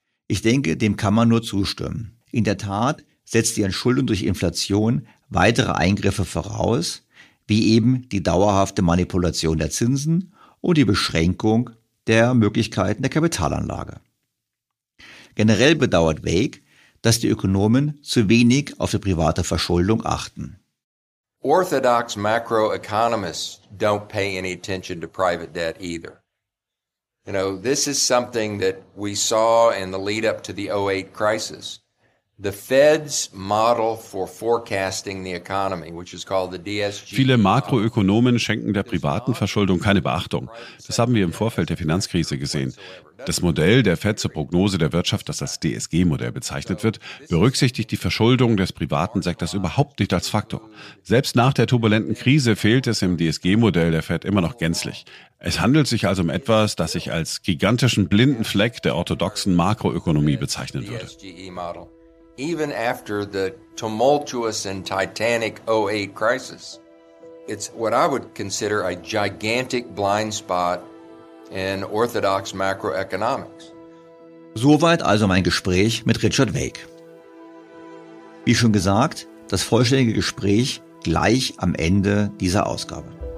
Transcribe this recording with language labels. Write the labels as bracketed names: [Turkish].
[German] Ich denke, dem kann man nur zustimmen. In der Tat setzt die Entschuldung durch Inflation weitere Eingriffe voraus, wie eben die dauerhafte Manipulation der Zinsen und die Beschränkung der Möglichkeiten der Kapitalanlage. Generell bedauert Wake, dass die Ökonomen zu wenig auf die private Verschuldung achten. [English] Orthodox macroeconomists don't pay any attention to private debt either. You know, this is something that we saw in the lead up to the 08 crisis. The Fed's model for forecasting the economy, which is called the DSG. [German] Viele Makroökonomen schenken der privaten Verschuldung keine Beachtung. Das haben wir im Vorfeld der Finanzkrise gesehen. Das Modell der Fed zur Prognose der Wirtschaft, das als DSG-Modell bezeichnet wird, berücksichtigt die Verschuldung des privaten Sektors überhaupt nicht als Faktor. Selbst nach der turbulenten Krise fehlt es im DSG-Modell der Fed immer noch gänzlich. Es handelt sich also um etwas, das ich als gigantischen blinden Fleck der orthodoxen Makroökonomie bezeichnen würde. [English] Even after the tumultuous and titanic 08 crisis, it's what I would consider a gigantic blind spot in orthodox macroeconomics. [German] Soweit also mein Gespräch mit Richard Wake. Wie schon gesagt, das vollständige Gespräch gleich am Ende dieser Ausgabe.